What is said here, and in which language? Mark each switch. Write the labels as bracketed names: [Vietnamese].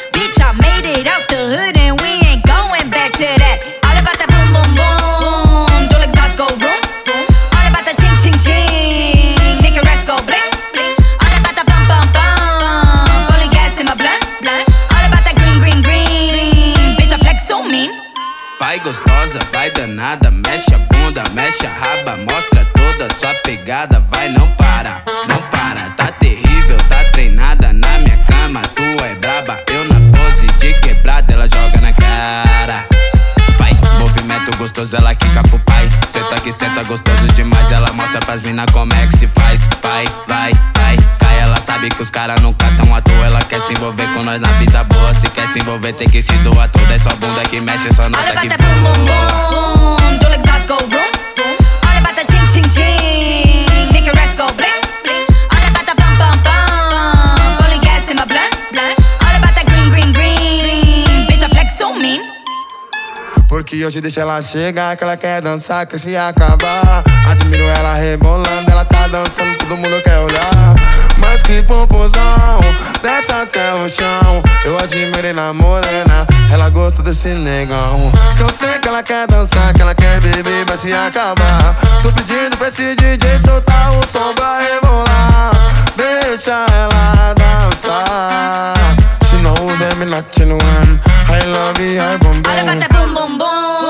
[English] Bitch, I made it out the hood and we ain't going back to that. All about that boom, boom, boom. Dual exhaust go vroom, vroom. All about the ching, ching, ching. Nigga rest go bling, bling. All about the bum, bum, bum. Bully gas in my blunt, blunt. All about that green, green, green. Bitch, I flex so mean. [Portuguese] Vai gostosa, vai danada, mexe a bunda, mexe a raba, mostra toda sua pegada, vai não para, não para. Tá terrível, tá treinada na minha cama, tu é braba, eu na pose de quebrada, ela joga na cara. Vai, movimento gostoso, ela quica pro pai. Senta que senta gostoso demais, ela mostra pras mina como é que se faz. Vai, vai, vai, vai, ela sabe que os cara nunca tão à toa. Ela quer se envolver com nós na vida boa. Se quer se envolver, tem que se doar tudo. É só bunda que mexe, só nota que voa. [English] Olha about that boom, boom, boom. Dual exhaust go vroom, vroom. Olha about that ching, ching, ching. Nigga rest go bling, bling. Olha about that bum, bum, bum. Bully gas in my blunt, blunt. Olha about that green, green, green. Bitch, I flex so mean. [Portuguese] Porque hoje deixa ela chegar, que ela quer dançar, quer se acabar. Admiro ela rebolando, ela tá dançando, todo mundo quer olhar. Mas que pompozão, desce até o chão. Eu admirei na morena, ela gosta desse negão. Que eu sei que ela quer dançar, que ela quer beber, vai se acabar. Tô pedindo pra esse DJ soltar o som pra rebolar. Deixa ela dançar. [English] She knows I'm a Latin one. I love you, I bomb. All about that boom, boom, boom.